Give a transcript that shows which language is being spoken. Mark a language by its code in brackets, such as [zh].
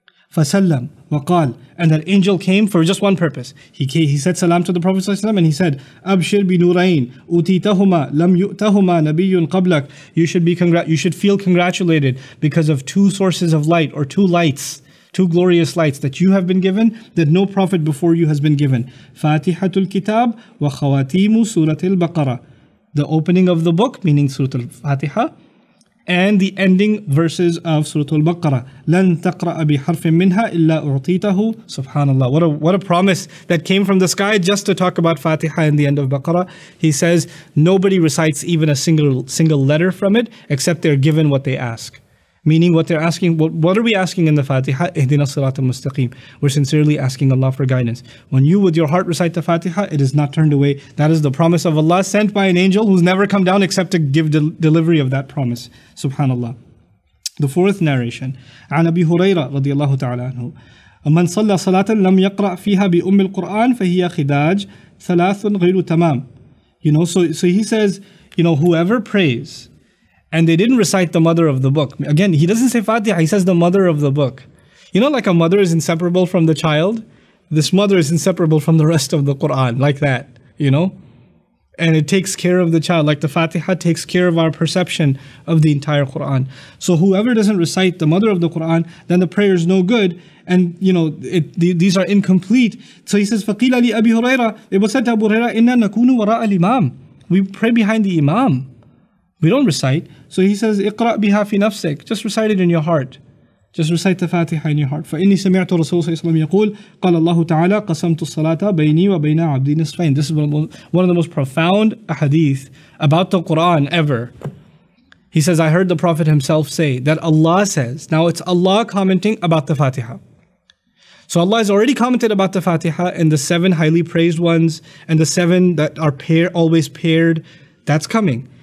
[ar] فسلم وقال [en] and that angel came for just one purpose he said salam to the Prophet صلى الله عليه وسلم and he said [ar] أبشر بنورين أتيتهما لم يؤتهما نبي قبلك [en] you should feel congratulated because of two sources of light or two lights Two glorious lights that you have been given, that no prophet before you has been given. [ar] فاتحة الكتاب وخواتيم سورة البقرة. [en] The opening of the book, meaning Surah Al-Fatiha, and the ending verses of Surah Al-Baqarah. [ar] لن تقرأ بحرف منها إلا أعطيته. [en] Subhanallah. What a promise that came from the sky just to talk about Fatiha and the end of Baqarah. He says, nobody recites even a single letter from it, except they're given what they ask. Meaning what they're asking, what are we asking in the Fatiha? [ar] اهدنا الصراط المستقيم. [en] We're sincerely asking Allah for guidance. When you with your heart recite the Fatiha, it is not turned away. That is the promise of Allah sent by an angel who's never come down except to give delivery of that promise. Subhanallah. The fourth narration. [ar] عن أبي هريرة رضي الله تعالى عنه. من صلى صلاة لم يقرأ فيها بأم القرآن فهي خداج ثلاث غير تمام. [en] You know, so he says, you know, whoever prays, And they didn't recite the mother of the book. Again, he doesn't say Fatiha, he says the mother of the book. You know, like a mother is inseparable from the child? This mother is inseparable from the rest of the Quran, like that, you know? And it takes care of the child, like the Fatiha takes care of our perception of the entire Quran. So whoever doesn't recite the mother of the Quran, then the prayer is no good. And, you know, these are incomplete. So he says, [ar] فَقِيلَ لِأَبِي هُرَيْرَةَ [en] It was said to Abu Huraira, [ar] إِنَّا نَكُونُ وَرَاءَ الْإِمَامِ [en] We pray behind the imam. We don't recite. [ar] So he says, اقرأ بها في نفسك. [en] Just recite it in your heart. Just recite the Fatiha in your heart. [ar] فإني سمعت رسول صلى الله عليه وسلم يقول قال الله تعالى قسمت الصلاة بيني وبين عبدي نصفين. [en] This is one of the most profound ahadith about the Quran ever. He says, I heard the Prophet himself say that Allah says, now it's Allah commenting about the Fatiha. So Allah has already commented about the Fatiha and the seven highly praised ones and the seven that are always paired. That's coming.